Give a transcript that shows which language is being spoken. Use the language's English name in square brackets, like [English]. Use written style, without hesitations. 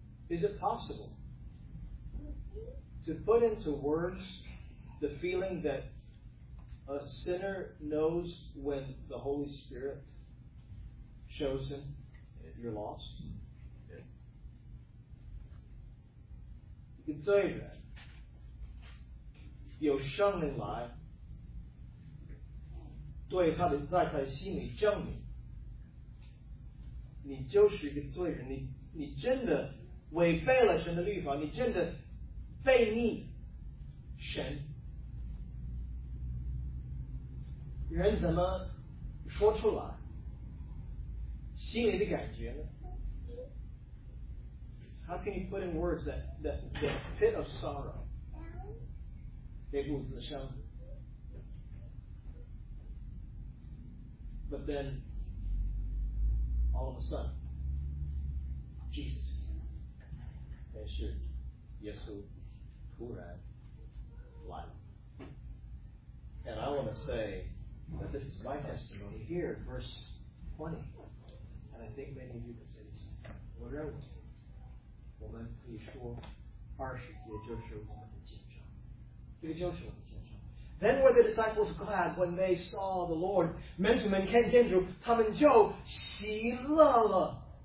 [English] Is it possible to put into words the feeling that a sinner knows when the Holy Spirit shows him you're lost? Yeah. [Chinese] 一个罪人有圣灵来对他的在他的心里证明你就是一个罪人， 你真的违背了神的律法，你真的背逆神，人怎么说出来心里的感觉呢？ [English] How can you put in words the pit of sorrow? [Chinese] 悲不自胜。 [English] But then, all of a sudden, Jesus. [Chinese] 但是耶稣突然来了。 [English] And I want to say that this is my testimony here in verse 20. And I think many of you can say this. What are we saying? [Chinese] 我们可以说二十节就是我们的见证。这个就是我们的见证。 [English] Then were the disciples glad when they saw the Lord. [Chinese] 门徒们看见主，他们就喜乐了。